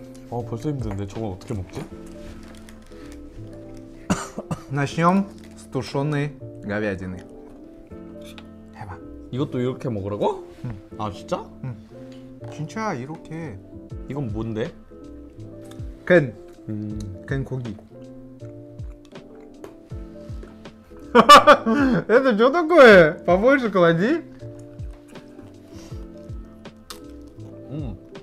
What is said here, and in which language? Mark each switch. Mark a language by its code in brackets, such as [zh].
[ko] 어, 벌써 힘든데 저건 어떻게 먹지? [ru] начнем с тушеной говядины. [ko] 해봐. 이것도 이렇게 먹으라고? 응. 아 진짜? 응. 진짜 이렇게. 이건 뭔데? 캔! 캔 고기. 하하하! 이거 뭐야? 더 많이 넣어.